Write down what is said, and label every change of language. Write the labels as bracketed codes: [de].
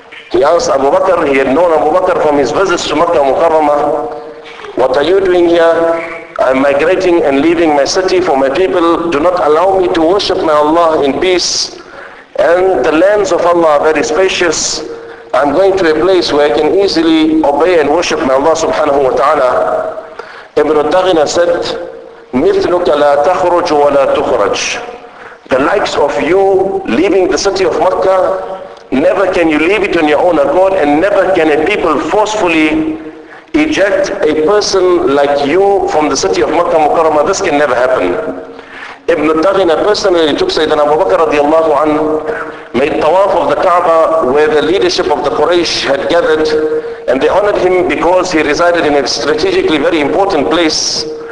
[en] He asked Abu Bakr, he had known Abu Bakr from his visits to Makkah Mukarramah, what are you doing here? I'm migrating and leaving my city for my people. Do not allow me to worship my Allah in peace. And the lands of Allah are very spacious. I'm going to a place where I can easily obey and worship my Allah subhanahu wa ta'ala. [ar] Ibn al-Daghinah [en] said, [ar] مِثْلُكَ لَا تَخْرُجْ وَلَا تُخْرَجْ. [en] The likes of you leaving the city of Makkah, never can you leave it on your own accord, and never can a people forcefully eject a person like you from the city of Makkah Mukarramah. This can never happen. Ibn al-Daghinah personally took Sayyidina Abu Bakr radiallahu anhu, made tawaf of the Kaaba where the leadership of the Quraysh had gathered, and they honored him because he resided in a strategically very important place.